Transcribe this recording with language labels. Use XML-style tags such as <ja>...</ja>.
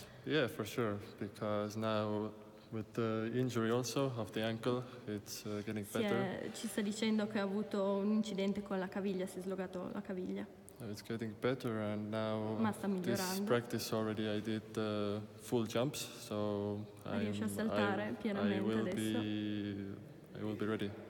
<en>Yeah, for sure, because now with the injury also of the ankle, it's getting better.</en> <it>Ci sta dicendo che ha avuto un incidente con la caviglia, si è slogato la caviglia.</it> <en>It's getting better and now this practice already I did full jumps, so I will be ready.</en>